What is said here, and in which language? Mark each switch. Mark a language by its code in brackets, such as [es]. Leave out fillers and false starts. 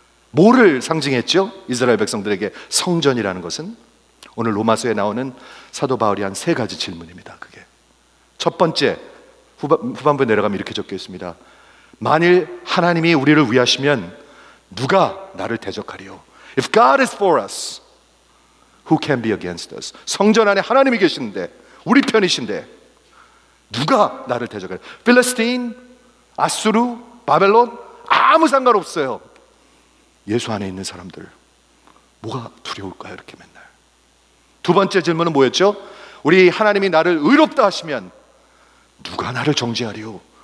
[ko] 뭐를 상징했죠? 이스라엘 백성들에게 성전이라는 것은 오늘 로마서에 나오는 사도 바울이 한 세 가지 질문입니다. 그게 첫 번째, 후반부에 내려가면 이렇게 적혀 있습니다. 만일 하나님이 우리를 위하시면 누가 나를 대적하리요? [en] If God is for us, who can be against us? [ko] 성전 안에 하나님이 계신데, 우리 편이신데 누가 나를 대적하리요? 필리스틴, 아수르, 바벨론, 아무 상관없어요. 예수 안에 있는 사람들 뭐가 두려울까요? 이렇게 맨날. 두 번째 질문은 뭐였죠? 우리 하나님이 나를 의롭다 하시면 누가 나를 정죄하리요?